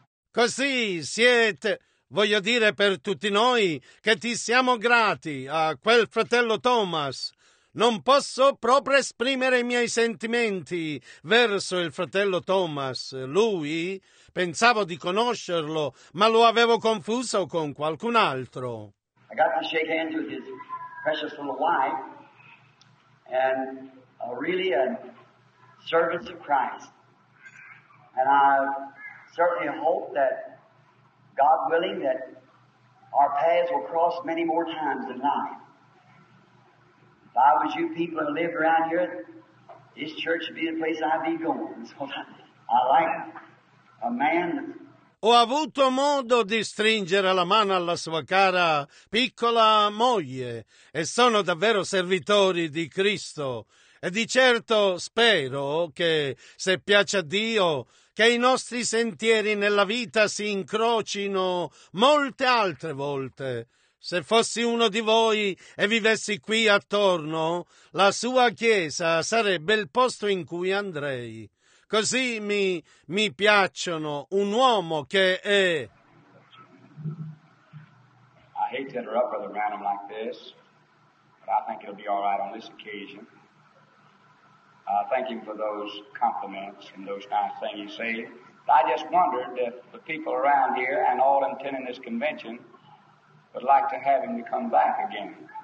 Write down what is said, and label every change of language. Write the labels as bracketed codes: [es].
[it] Così siete, voglio dire per tutti noi, che ti siamo grati a quel fratello Thomas. Non posso proprio esprimere i miei sentimenti verso il fratello Thomas. Lui, pensavo di conoscerlo, ma lo avevo confuso con qualcun altro. [en] I got to shake hands with his precious little wife, and really a servant of Christ. And I certainly hope that, God willing, that our paths will cross many more times in life. If I was you people and lived around here, this church would be the place I'd be going. So I like a man. [it] Ho avuto modo di stringere la mano alla sua cara piccola moglie e sono davvero servitori di Cristo. E di certo spero che, se piace a Dio, che i nostri sentieri nella vita si incrocino molte altre volte. Se fossi uno di voi e vivessi qui attorno, la sua chiesa sarebbe il posto in cui andrei. Così mi piacciono un uomo che è... [en] I hate to interrupt Brother Branham like this, but I think it'll be all right on this occasion. I thank him for those compliments and those nice things he said. I just wondered if the people around here and all attending this convention would like to have him to come back again.